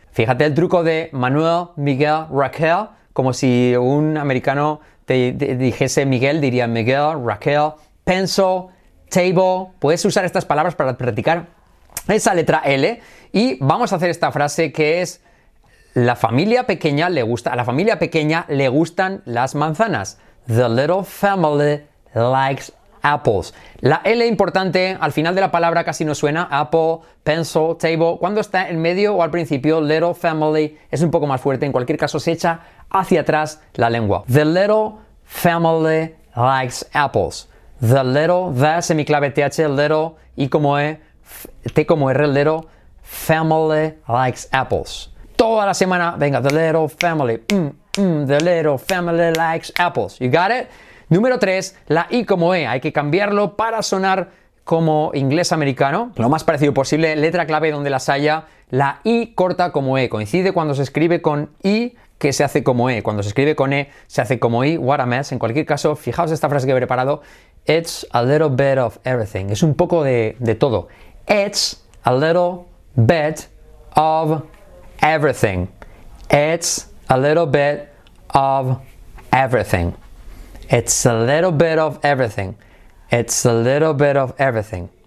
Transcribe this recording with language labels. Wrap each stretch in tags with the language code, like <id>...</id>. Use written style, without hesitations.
<es>Fíjate el truco de Manuel, Miguel, Raquel, como si un americano te dijese Miguel, diría Miguel, Raquel,</es> <en>pencil, table.</en> <es>Puedes usar estas palabras para practicar esa letra L. Y vamos a hacer esta frase que es la familia pequeña le gusta, a la familia pequeña le gustan las manzanas.</es> <en>The little family likes apples.</en> <es>La L importante al final de la palabra casi no suena.</es> <en>Apple, pencil, table.</en> <es>Cuando está en medio o al principio,</es> <en>little family</en> <es>es un poco más fuerte. En cualquier caso, se echa hacia atrás la lengua.</es> <en>The little family likes apples. The little, the semiclave TH, little,</en> <es>I como E, T como R,</es> <en>little family likes apples.</en> <es>Toda la semana, venga,</es> <en>the little family, the little family likes apples. You got it?</en> <es>Número 3, la I como E. Hay que cambiarlo para sonar como inglés americano. Lo más parecido posible, letra clave donde las haya, la I corta como E. Coincide cuando se escribe con I, que se hace como E. Cuando se escribe con E, se hace como I.</es> <en>What a mess.</en> <es>En cualquier caso, fijaos esta frase que he preparado.</es> <en>It's a little bit of everything.</en> <es>Es un poco de todo.</es> <en>It's a little bit of everything. It's a little bit of everything. It's a little bit of everything. It's a little bit of everything.</en>